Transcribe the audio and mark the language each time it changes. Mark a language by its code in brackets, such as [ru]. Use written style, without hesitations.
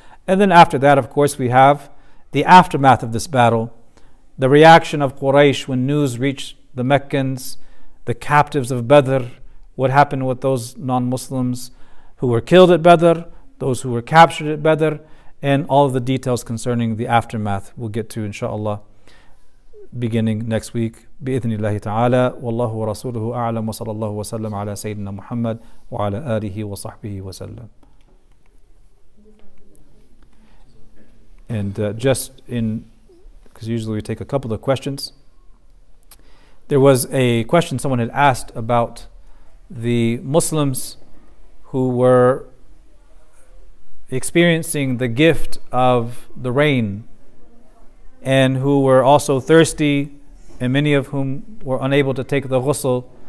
[en] And then after that, of course, we have the aftermath of this battle, the reaction of Quraysh when news reached the Meccans, the captives of Badr, what happened with those non-Muslims who were killed at Badr, those who were captured at Badr, and all of the details concerning the aftermath we'll get to, inshallah, beginning next week. [ar] بإذن الله تعالى والله ورسوله أعلم وصلى الله وسلم على سيدنا محمد وعلى آله وصحبه وسلم. [en] And just in, because usually we take a couple of questions. There was a question someone had asked about the Muslims who were experiencing the gift of the rain and who were also thirsty, and many of whom were unable to take the ghusl.